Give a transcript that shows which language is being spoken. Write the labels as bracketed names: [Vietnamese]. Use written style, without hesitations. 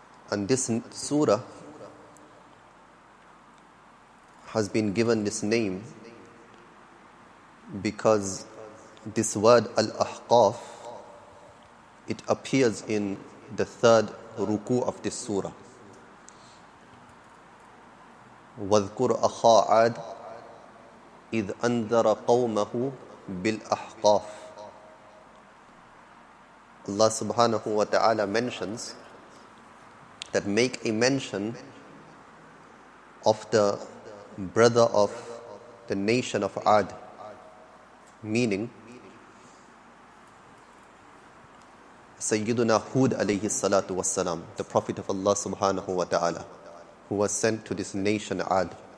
[English] And this surah has been given this name because this word Al-Ahqaf, it appears in the third ruku of this surah. [Arabic] وَذْكُرْ أَخَا عَاد إِذْ أَنذَرَ قَوْمَهُ بِالْأَحْقَافِ. [English] Allah subhanahu wa ta'ala mentions that make a mention of the brother of the nation of Ad, meaning Sayyiduna Hud alayhi salatu wassalam, the Prophet of Allah subhanahu wa ta'ala, who was sent to this nation Ad.